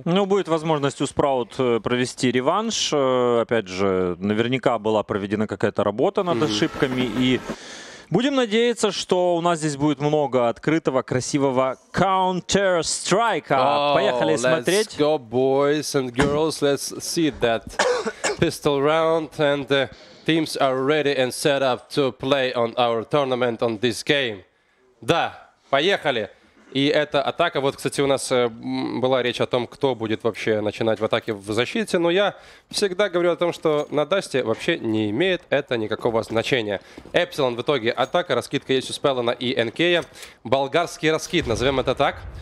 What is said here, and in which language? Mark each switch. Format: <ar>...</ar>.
<ru>Ну, будет возможность у Sprout провести реванш. Опять же, наверняка была проведена какая-то работа над ошибками. И будем надеяться, что у нас здесь будет много открытого, красивого Counter-Strike. Поехали смотреть.</ru> <en>Let's go, boys and girls. Let's see that pistol round. And the teams are ready and set up to play on our tournament on this game.</en> <ru>Да, поехали. И эта атака, вот, кстати, у нас была речь о том, кто будет вообще начинать в атаке в защите. Но я всегда говорю о том, что на Дасте вообще не имеет это никакого значения. Эпсилон в итоге атака, раскидка есть у Спеллана и Энкея. Болгарский раскид, назовем это так.</ru>